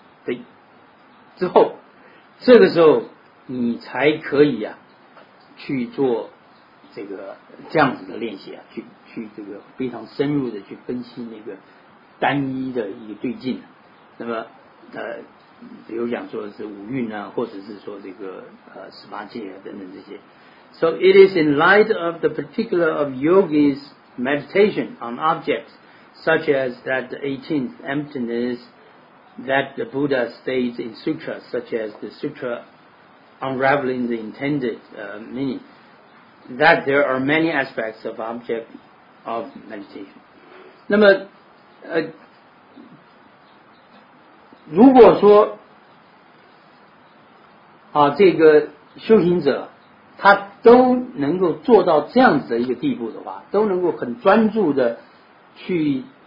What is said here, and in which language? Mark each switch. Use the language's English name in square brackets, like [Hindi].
[Chinese] 对，之后，这个时候你才可以啊，去做这个这样子的练习啊，去这个非常深入的去分析那个单一的一个对境。那么比如讲说是五蕴啊，或者是说这个十八界啊等等这些。 [English] So it is in light of the particular of yogi's meditation on objects, such as that the 18th emptiness that the Buddha states in sutras, such as the sutra unraveling the intended meaning, that there are many aspects of object of meditation. [Chinese] 那么如果说这个修行者他都能够做到这样子的一个地步的话，都能够很专注的去